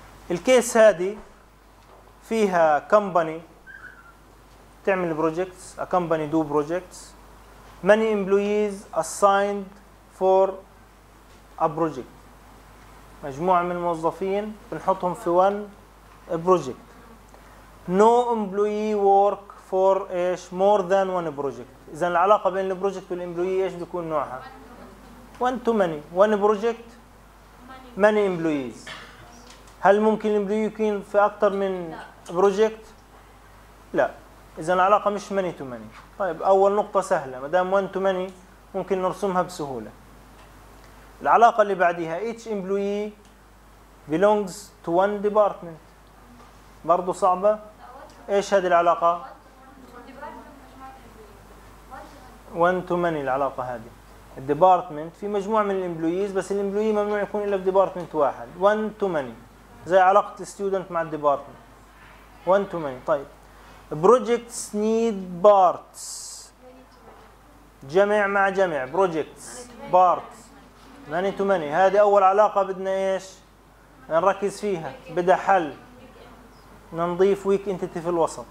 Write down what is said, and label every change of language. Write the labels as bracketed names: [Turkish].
[Arabic] الكيس هذه فيها كمباني تعمل بروجكتس، [English] a company do projects, many employees assigned for a project، [Arabic] مجموعة من الموظفين بنحطهم في [English] one project. No employee work for ايش؟ more than one project. [Arabic] إذا العلاقة بين البروجكت والإمبلويي ايش بيكون نوعها؟ [English] one to many. one project many employees. [Arabic] هل ممكن الإمبلويي يكون في أكثر من project؟ لا. إذا العلاقة مش many to many. طيب أول نقطة سهلة، ما دام [English] one to many [Arabic] ممكن نرسمها بسهولة. العلاقة اللي بعديها [English] each employee belongs to one department، [Arabic] برضو صعبة. ايش هذه العلاقة؟ one to many. العلاقة هذه الديبارتمنت في مجموعة من الامبلويز، بس الامبلوي ممنوع يكون الا في ديبارتمنت واحد. [English] one to many [Arabic] زي علاقة student مع الديبارتمنت. [English] one to many. طيب projects need parts، [Arabic] جمع مع جمع [English] projects parts many to many. [Arabic] هذه أول علاقة بدنا إيش؟ نركز فيها، بدها حل. نضيف weak entity في الوسط.